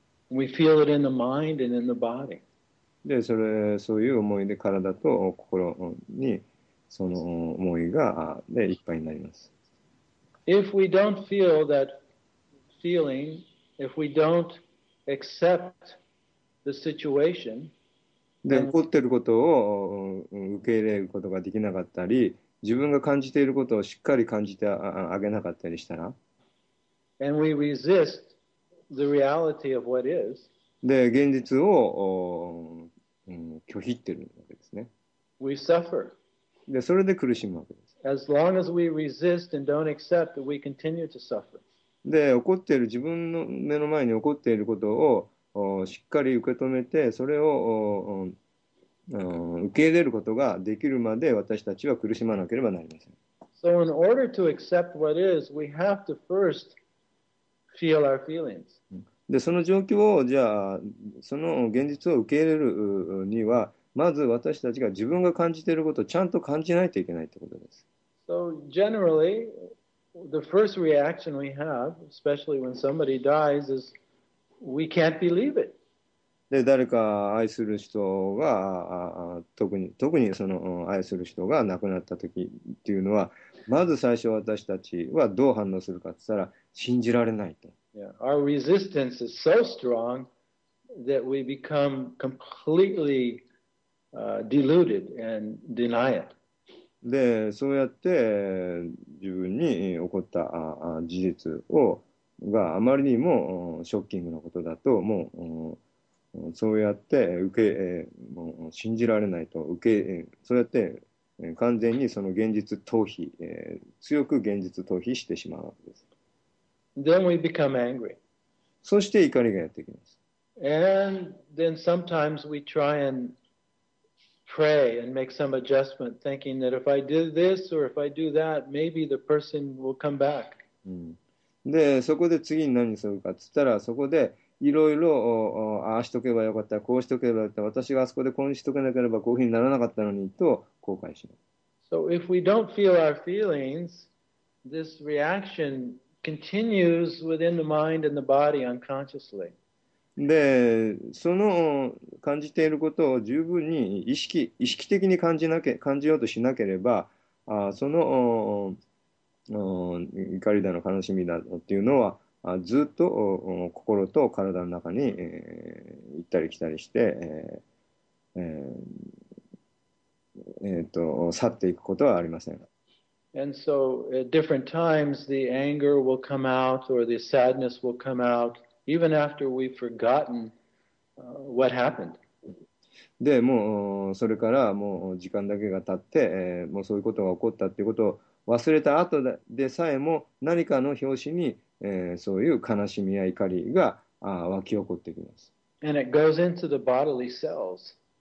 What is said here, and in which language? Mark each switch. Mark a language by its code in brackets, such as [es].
[en] We feel it in the mind and in the body. [ja] で、そういう思いで体と心にその思いがでいっぱいになります。 [en] If we don't feel that feeling, if we don't accept. The situation, [ja] で怒っていることを受け入れることができなかったり自分が感じていることをしっかり感じてあげなかったりしたら [en] and we resist the reality of what is, [ja] で現実を拒否ってるわけですね [en] we suffer. [ja] でそれで苦しむわけです [en] As long as we resist and don't accept, we continue to suffer. [ja] で、起こっている、自分の目の前に起こっていることをしっかり受け止めて、それを受け入れることができるまで、私たちは苦しまなければなりません。 [en] So in order to accept what is, we have to first feel our feelings. [ja] で、その状況を、じゃあ、その現実を受け入れるには、まず私たちが自分が感じていることをちゃんと感じないといけないということです。 [en] So generally, the first reaction we have, especially when somebody dies, is we can't believe it. [ja] で、誰か愛する人が、特にその愛する人が亡くなった時っていうのは、まず最初私たちはどう反応するかって言ったら、信じられないと。 [en] Yeah. Our resistance is so strong that we become completely deluded and deny it. [ja] で、そうやって自分に起こった事実をがあまりにもショッキングなことだと、もうそうやって受け、もう信じられないと、受け、そうやって完全にその現実逃避、強く現実逃避してしまうわけです。 [en] Then we become angry. [ja] そして怒りがやってきます。 [en] And then sometimes we try and pray and make some adjustment, thinking that if I did this or if I do that, maybe the person will come back. [ja] で、そこで次に何するかって言ったら、そこでいろいろああしとけばよかった、こうしとけばよかった、私があそこでこうしとけなければこういうふうにならなかったのにと後悔します。 [en] So if we don't feel our feelings, this reaction continues within the mind and the body unconsciously. [ja] で、その感じていることを十分に意識的に感じようとしなければ、その怒りだの悲しみだのっていうのはずっと心と体の中に行ったり来たりして、去っていくことはありません。 [en] And so at different times the anger will come out or the sadness will come out even after we've forgotten what happened. [ja] で、もうそれからもう時間だけが経って、もうそういうことが起こったっていうことを忘れた後でさえも何かの拍子に、そういう悲しみや怒りが湧き起こってきます。 [en] And it goes into the bodily cells.